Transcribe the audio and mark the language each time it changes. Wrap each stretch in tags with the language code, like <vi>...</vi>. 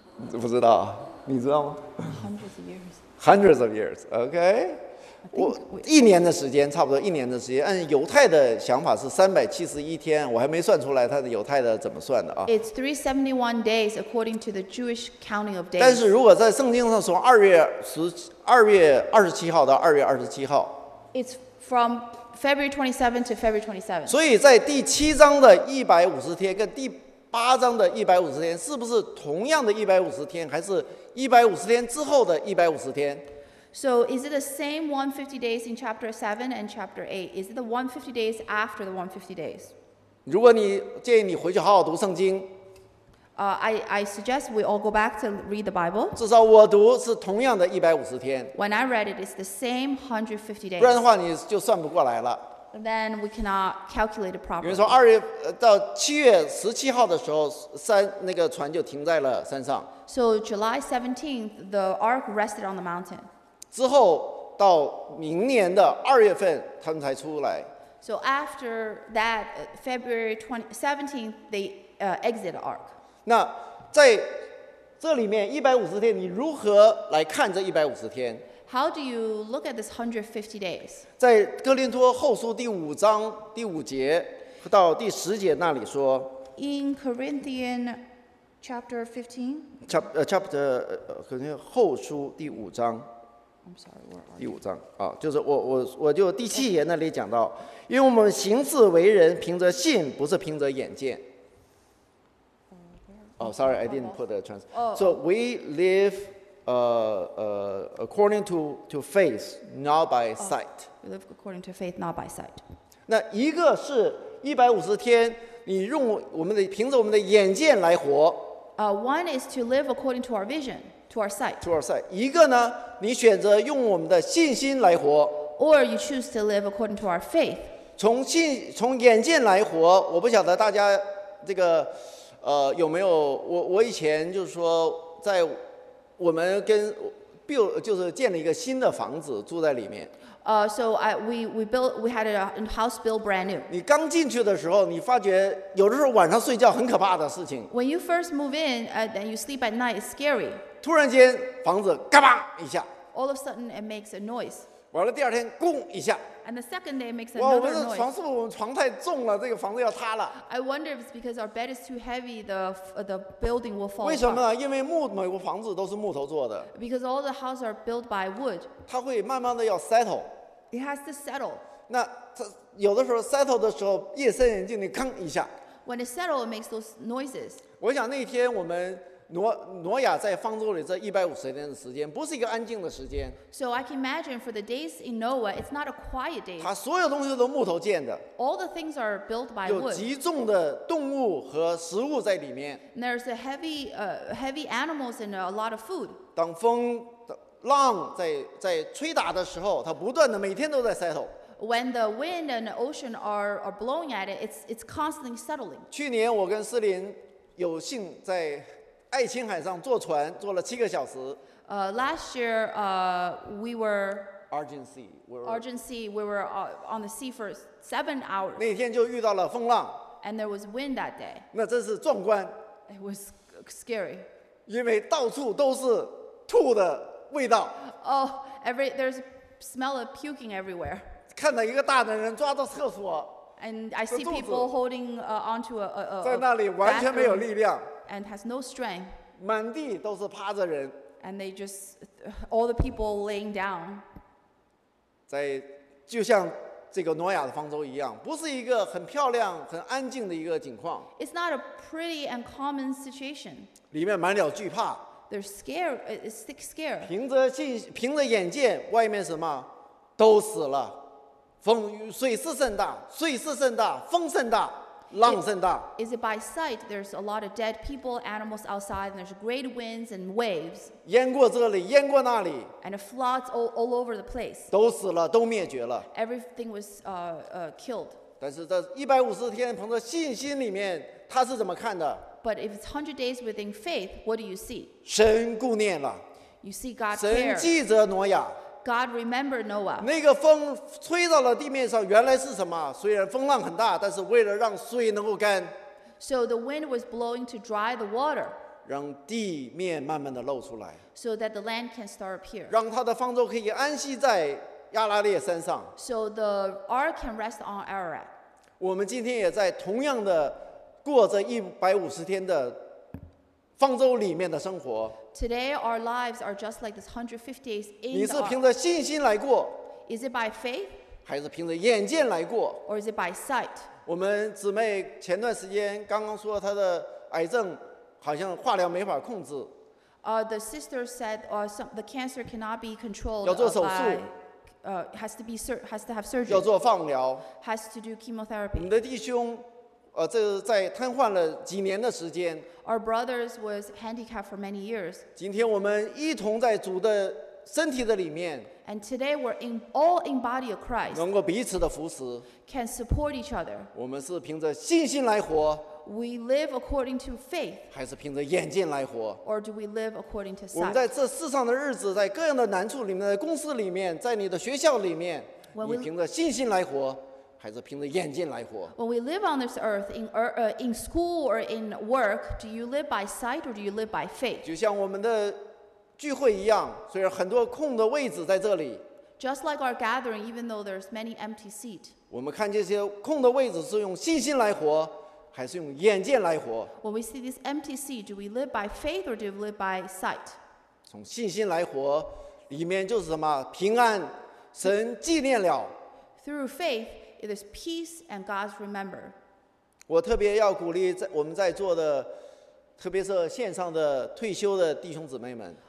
<zh>不知道，你知道吗</zh> <en>？Hundreds of years. Hundreds of years.</en> <zh>Okay， 我一年的时间，差不多一年的时间。按犹太的想法是371天，我还没算出来他的犹太的怎么算的啊</zh> <en>？It's 371 days according to the Jewish counting of days.</en> <zh>但是如果在圣经上从二月二十七号到2月27号</zh> <en>，It's from February 27 to February 27.</en> <zh>所以在第七章的150天跟第八章的150天是不是同样的150天，还是150天之后的150天</zh> <en>？So is it the same 150 days in chapter 7 and chapter 8? Is it the 150 days after the 150 days?</en> <zh>如果你建议你回去好好读圣经。</zh> <en>I suggest we all go back to read the Bible.</en> <zh>至少我读是同样的150天。</zh> <en>When I read it, it's the same 150 days.</en> <zh>不然的话，你就算不过来了。</zh> <en>Then we cannot calculate it properly.</en> <zh>比如说二月到七月十七号的时候，船就停在了山上。</zh> <en>So July 17th, the ark rested on the mountain.</en> <zh>之后到明年的二月份，他们才出来。</zh> <en>So after that, February 17th, they exit the ark.</en> <zh>那在这里面150天，你如何来看这150天</zh> <en>？How do you look at this 150 days？</en> <zh>在哥林多后书第五章第五节到第十节那里说。</zh> <en>In Corinthians chapter 15。</en> <zh>后书第五章。第五章啊，就是我就第七节那里讲到，因为我们行事为人凭着信，不是凭着眼见。</zh> <en>Oh, sorry, I didn't put the translation. So we live according to faith, not by sight. We live according to faith, not by sight.</en> <zh>那一个是一百五十天，你用我们的凭着我们的眼见来活。</zh> <en>One is to live according to our vision, to our sight. To our sight.</en> <zh>一个呢，你选择用我们的信心来活。</zh> <en>Or you choose to live according to our faith.</en> <zh>从眼见来活，我不晓得大家这个。有没有我以前就是说，在我们跟 build 就是建了一个新的房子住在里面。</zh> <en>So we had a house built brand new.</en> <zh>你刚进去的时候，你发觉有的时候晚上睡觉很可怕的事情。</zh> <en>When you first move in, then you sleep at night, it's scary.</en> <zh>突然间房子嘎巴一下。</zh> <en>All of a sudden, it makes a noise.</en> <zh>完了第二天，咣一下。</zh> <en>And the second day makes another noise.</en> <zh>我们的床是不是我们床太重了，这个房子要塌了</zh> <en>？I wonder if it's because our bed is too heavy, the building will fall.</en> <zh>为什么呢？因为每个房子都是木头做的。</zh> <en>Because all the houses are built by wood.</en> <zh>它会慢慢的要 settle.</zh> <en>It has to settle.</en> <zh>那有的时候 settle 的时候，夜深人静，你吭一下。</zh> <en>When it settles, it makes those noises.</en> <zh>我想那天我们。挪亚在方舟里这150天的时间，不是一个安静的时间。</zh> <en>So I can imagine for the days in Noah, it's not a quiet day.</en> <zh>它所有东西都木头建的。</zh> <en>All the things are built by wood.</en> <zh>有极重的动物和食物在里面。</zh> <en>And there's a heavy animals and a lot of food.</en> <zh>当风浪在吹打的时候，它不断的每天都在 settle。</zh> <en>When the wind and the ocean are blowing at it, it's constantly settling.</en> <zh>去年我跟斯林有幸在爱琴海上坐船坐了7个小时。</zh> <en>Last year, we were Argent Sea. We were on the sea for 7 hours.</en> <zh>那天就遇到了风浪。</zh> <en>And there was wind that day.</en> <zh>那真是壮观。</zh> <en>It was scary.</en> <zh>因为到处都是吐的味道。</zh> <en>There's smell of puking everywhere.</en> <zh>看到一个大男人抓着厕所。</zh> <en>And I see people holding onto a</en> <zh>在那里完全没有力量。</zh> <en>And has no strength.</en> <zh>满地都是趴着人。</zh> <en>And they just all the people laying down.</en> <zh>在就像这个挪亚的方舟一样，不是一个很漂亮、很安静的一个景况。</zh> <en>It's not a pretty and common situation.</en> <zh>里面满了惧怕。</zh> <en>They're scared. It's thick scare.</en> <zh>凭着眼见，外面什么都死了，风水势甚大，水势甚大，风甚大，浪甚大。</zh> <en>Is it by sight? There's a lot of dead people, animals outside, and there's great winds and waves.</en> <zh>淹过这里，淹过那里。</zh> <en>And it floods all over the place.</en> <zh>都死了，都灭绝了。</zh> <en>Everything was killed.</en> <zh>但是这150天，凭着信心里面，他是怎么看的？</zh> <en>But if it's 100 days within faith, what do you see?</en> <zh>神顾念了。</zh> <en>You see God care.</en> <zh>神记着挪亚。</zh> <en>God remembered Noah.</en> <zh>那个风吹到了地面上，原来是什么？虽然风浪很大，但是为了让水能够干。</zh> <en>So the wind was blowing to dry the water.</en> <zh>让地面慢慢的露出来。</zh> <en>So that the land can start appear.</en> <zh>让他的方舟可以安息在亚拉列山上。</zh> <en>So the ark can rest on Ararat.</en> <zh>我们今天也在同样的。过着一百五十天的方舟里面的生活。</zh> <en>Today our lives are just like this 150 days in.</en> <zh>你是凭着信心来过</zh> <en>？Is it by faith？</en> <zh>还是凭着眼见来过</zh> <en>？Or is it by sight？</en> <zh>我们姊妹前段时间刚刚说她的癌症好像化疗没法控制。</zh> <en>The sister said, the cancer cannot be controlled.</en> <zh>要做手术。</zh> <en>Has to have surgery.</en> <zh>要做放疗。</zh> <en>Has to do chemotherapy.</en> <zh>你的弟兄。这在瘫痪了几年的时间。</zh> <en>Our brothers was handicapped for many years.</en> <zh>今天我们一同在主的身体的里面。</zh> <en>And today we're in all in body of Christ.</en> <zh>能够彼此的扶持。</zh> <en>Can support each other.</en> <zh>我们是凭着信心来活。</zh> <en>We live according to faith.</en> <zh>还是凭着眼见来活。</zh> <en>Or do we live according to sight?</en> <zh>我们在这世上的日子，在各样的难处里面，在公司里面，在你的学校里面，你凭着信心来活。还是凭着眼见来活。</zh> <en>When we live on this earth, in school or in work, do you live by sight or do you live by faith?</en> <zh>就像我们的聚会一样，虽然很多空的位置在这里。</zh> <en>Just like our gathering, even though there's many empty seats.</en> <zh>我们看这些空的位置是用信心来活，还是用眼见来活</zh> <en>？When we see this empty seat, do we live by faith or do we live by sight?</en> <zh>从信心来活，里面就是什么平安，神纪念了。</zh> <en>Through faith. It is peace and God's remember.</en> <zh>我特别要鼓励我们在座的，特别是线上的退休的弟兄姊妹们。</zh>